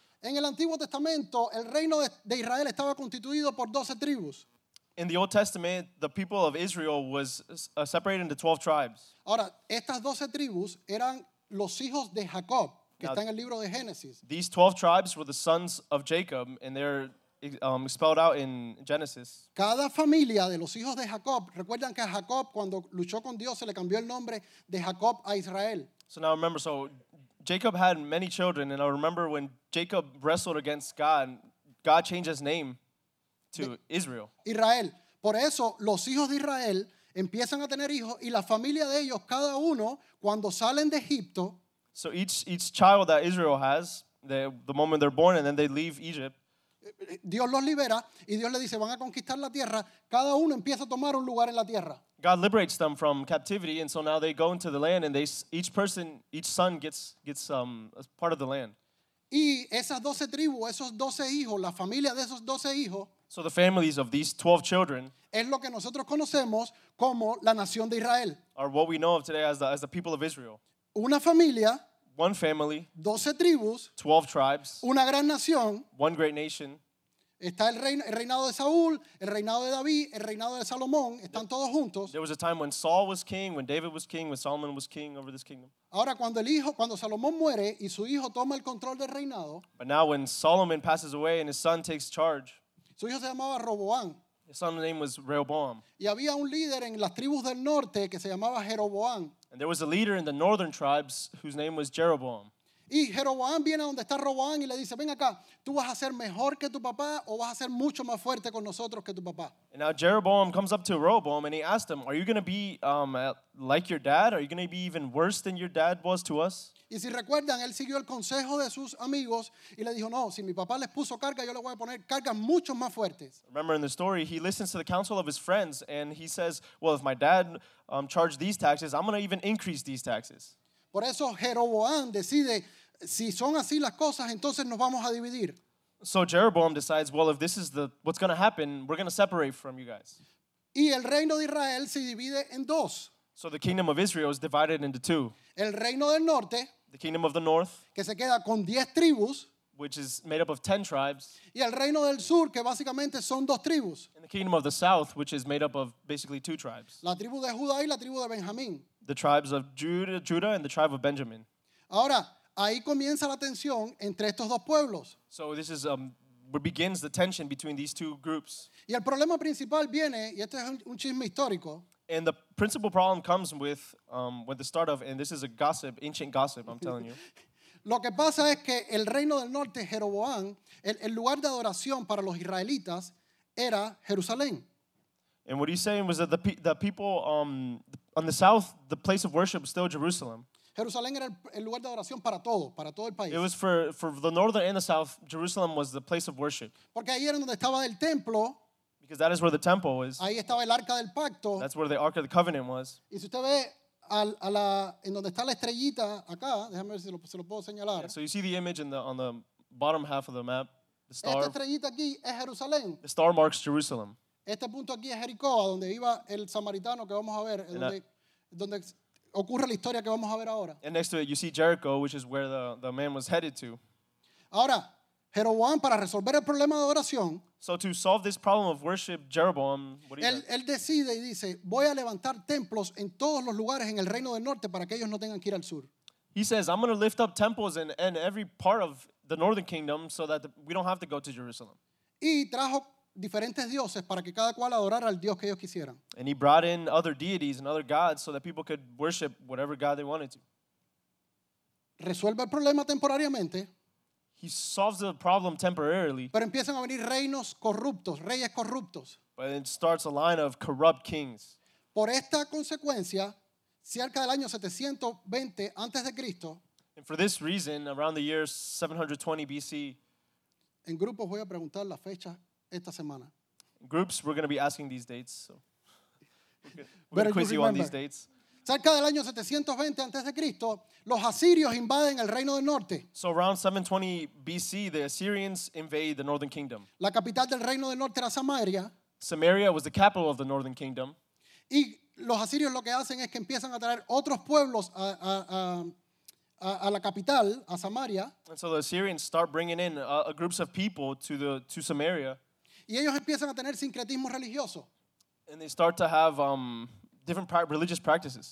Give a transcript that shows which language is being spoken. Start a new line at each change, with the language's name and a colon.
Spanish: En el Antiguo Testamento, el Reino de Israel estaba constituido por 12 tribus.
English: In the Old Testament, the people of Israel was separated into 12 tribes.
Spanish: Ahora, estas 12 tribus eran los hijos de Jacob, que está en el libro de Génesis.
English: These 12 tribes were the sons of Jacob, and they're spelled out in Genesis.
Spanish: Cada familia de los hijos de Jacob, recuerdan que Jacob cuando luchó con Dios se le cambió el nombre de Jacob a Israel.
English: So now remember, so Jacob had many children, and I remember when Jacob wrestled against God, God changed his name to Israel. Israel.
Spanish: Por eso los hijos de Israel empiezan a tener hijos y la familia de ellos cada uno cuando salen de Egipto.
English: So each child that Israel has, the moment they're born and then they leave Egypt.
Spanish: Dios los libera y Dios le dice van a conquistar la tierra. Cada uno empieza a tomar un lugar en la tierra.
English: God liberates them from captivity, and so now they go into the land, and they each son gets a part of the land.
Spanish: Y esas 12 tribus, esos 12 hijos, la familia de esos 12 hijos.
English: So the families of these 12 children.
Spanish: Es lo que nosotros conocemos como la nación de Israel.
English: Are what we know of today as the people of Israel.
Spanish: Una familia.
English: One family,
Spanish: 12 tribus,
English: 12 tribes,
Spanish: una gran nación,
English: one great nation.
Spanish: Está el reinado de Saúl, el reinado de David, el reinado de Salomón, están todos juntos.
English: There was a time when Saul was king, when David was king, when Solomon was king over this kingdom.
Spanish: Ahora cuando el hijo, cuando Salomón muere y su hijo toma el control del reinado.
English: But now when Solomon passes away and his son takes charge.
Spanish: Su hijo se llamaba Roboán.
English: His son's name was Rehoboam.
Spanish: Y había un líder en las tribus del norte que se llamaba Jeroboam.
English: And there was a leader in the northern tribes whose name was Jeroboam.
Spanish: Y Jeroboam viene a donde está Roboam y le dice, ven acá, tú vas a ser mejor que tu papá o vas a ser mucho más fuerte con nosotros que tu papá.
English: And now Jeroboam comes up to Rehoboam and he asked him, are you going to be like your dad? Are you going to be even worse than your dad was to us?
Spanish: Y si recuerdan, él siguió el consejo de sus amigos y le dijo, no, si mi papá les puso carga, yo le voy a poner cargas mucho más fuertes.
English: Remember in the story, he listens to the counsel of his friends and he says, well, if my dad charged these taxes, I'm going to even increase these taxes.
Spanish: Por eso Jeroboam decide, si son así las cosas, entonces nos vamos a dividir.
English: So Jeroboam decides, well, if this is what's going to happen, we're going to separate from you guys.
Spanish: Y el reino de Israel se divide en dos.
English: So the kingdom of Israel is divided into two.
Spanish: El reino del norte,
English: the kingdom of the north,
Spanish: que se queda con 10 tribus,
English: which is made up of 10 tribes,
Spanish: y el reino del sur, que básicamente son dos tribus,
English: and the kingdom of the south, which is made up of basically two tribes,
Spanish: la tribu de Judá y la tribu de Benjamín,
English: the tribes of Judah and the tribe of Benjamin.
Spanish: Ahora, ahí comienza la tensión entre estos dos pueblos.
English: So this is where begins the tension between these two groups.
Spanish: Y el problema principal viene, y este es un chisme histórico.
English: And the principal problem comes with the start of, and this is a gossip, ancient gossip, I'm telling you.
Spanish: Lo que pasa es que el reino del norte, Jeroboam, el lugar de adoración para los israelitas era Jerusalén.
English: And what he's saying was that the people on the south, the place of worship was still Jerusalem.
Spanish: Jerusalén era el lugar de adoración para todo el país.
English: It was for the northern and the south, Jerusalem was the place of worship.
Spanish: Porque ahí era donde estaba el templo.
English: Because that is where the temple was.
Spanish: Ahí estaba el arca del pacto.
English: That's where the Ark of the Covenant was.
Spanish: Y si usted ve a la en donde está la estrellita acá, déjame ver si se lo puedo señalar.
English: Yeah, so you see the image on the bottom half of the map, the star.
Spanish: Esta estrellita aquí es Jerusalén.
English: The star marks Jerusalem.
Spanish: Este punto aquí es Jericó, donde iba el samaritano que vamos a ver, donde ocurre la historia que vamos a ver ahora.
English: And next to it, you see Jericho, which is where the man was headed to.
Spanish: Ahora, Jeroboam, para resolver el problema de adoración.
English: So to solve this problem of worship, Jeroboam, what he does.
Spanish: Él decide y dice, voy a levantar templos en todos los lugares en el reino del norte para que ellos no tengan que ir al sur.
English: He says, I'm going to lift up temples in every part of the northern kingdom so that we don't have to go to Jerusalem.
Spanish: Y trajo diferentes dioses para que cada cual adorara al dios que ellos quisieran.
English: And he brought in other deities and other gods so that people could worship whatever god they wanted to.
Spanish: Resuelve el problema temporariamente.
English: He solves the problem temporarily.
Spanish: Pero empiezan a venir reinos corruptos, reyes corruptos.
English: But it starts a line of corrupt kings.
Spanish: Por esta consecuencia, cerca del año 720 antes de Cristo,
English: and for this reason, around the year 720 BC,
Spanish: en grupos voy a preguntar la fecha esta semana.
English: Groups, we're going to be asking these dates, so we're going to quiz you on these dates.
Spanish: Cerca del año 720 antes de Cristo, los asirios invaden el reino del norte.
English: So around 720 BC, the Assyrians invade the northern kingdom.
Spanish: La capital del reino del norte era Samaria.
English: Samaria was the capital of the northern kingdom.
Spanish: Y los asirios lo que hacen es que empiezan a traer otros pueblos a la capital, a Samaria.
English: And so the Assyrians start bringing in groups of people to Samaria.
Spanish: Y ellos empiezan a tener sincretismo religioso.
English: And they start to have different religious practices.